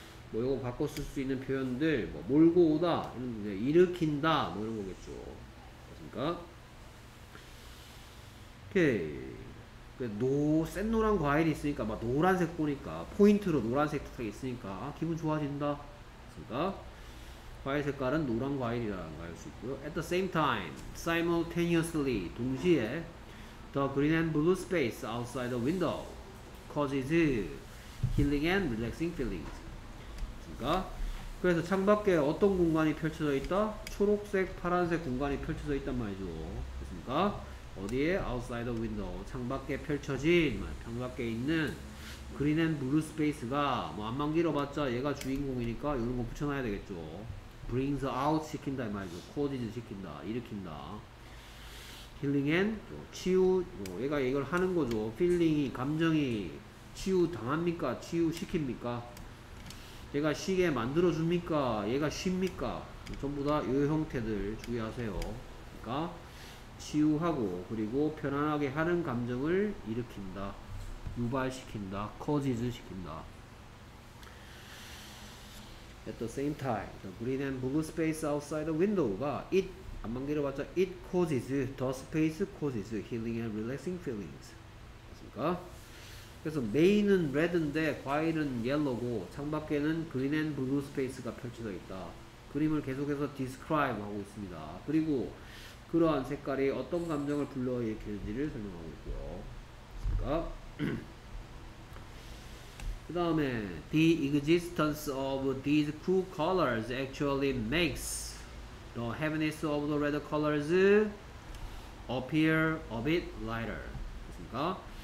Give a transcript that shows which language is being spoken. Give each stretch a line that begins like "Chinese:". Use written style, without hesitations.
Korean: 뭐 이거 바꿔 쓸 수 있는 표현들 뭐 몰고 오다 이런 거 일으킨다 뭐 이런 거겠죠. 그러니까 이렇게 센 노란 과일이 있으니까 막 노란색 보니까 포인트로 노란색 탁 있으니까 아, 기분 좋아진다. 그러니까 과일 색깔은 노란 과일이라는 거 알 수 있고요.
English: At the same time, simultaneously
Korean: 동시에
English: the green and blue space outside the window causes healing and relaxing feelings.
Korean: 그래서 창밖에 어떤 공간이 펼쳐져 있다? 초록색, 파란색 공간이 펼쳐져 있단 말이죠. 그렇습니까? 어디에?
English: outside the window.
Korean: 창밖에 펼쳐진, 창밖에 있는
English: green and blue space
Korean: 가 뭐 앞만 길어봤자 얘가 주인공이니까 이런 거 붙여놔야 되겠죠. brings out 시킨다 말이죠. causes 시킨다, 일으킨다.
English: healing and
Korean: 치유, 얘가 이걸 하는 거죠. feeling이, 감정이 치유 당합니까? 치유 시킵니까? 제가 시계 만들어 줍니까? 얘가 쉽니까? 전부 다 요 형태들 주의하세요. 그러니까 치유하고 그리고 편안하게 하는 감정을 일으킨다, 유발시킨다, causes 시킨다.
English: At the same time, the green and blue space outside the window가 it
Korean: 안만기를 봤자
English: it causes the space causes healing and relaxing feelings.
Korean: 맞습니까? 그래서 메인은 레드인데 과일은 옐로우고 창밖에는 그린 앤 블루 스페이스가 펼쳐져 있다. 그림을 계속해서 디스크라이브 하고 있습니다. 그리고 그러한 색깔이 어떤 감정을 불러일으키는지를 설명하고 있고요. 그러니까 그 다음에
English: The existence of these cool colors actually makes the heaviness of the red colors appear a bit lighter.
Korean: 그렇습니까?